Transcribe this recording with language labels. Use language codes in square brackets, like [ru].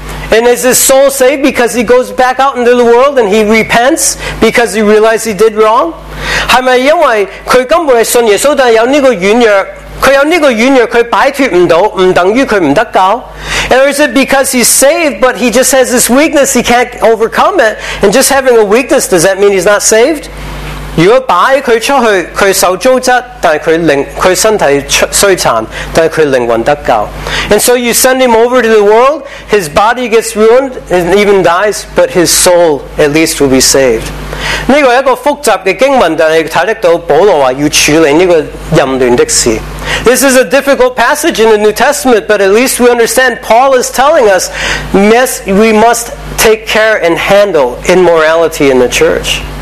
[en] And is his soul saved because he goes back out into the world and he repents because he realized he did wrong? [zh] 是不是因为他根本是信耶稣，但有这个软弱，他摆脱不了，不等于他不得救？ [en] Or is it because he's saved but he just has this weakness, he can't overcome it, and just having a weakness, does that mean he's not saved? [zh] 如果摆他出去，他受糟蹋，但是他身体衰残，但是他灵魂得救。 [en] And so you send him over to the world, his body gets ruined and even dies, but his soul at least will be saved. [zh] 这是一个复杂的经文，但是看得到保罗说要处理这个淫乱的事。 [en] This is a difficult passage in the New Testament, but at least we understand Paul is telling us we must take care and handle immorality in the church.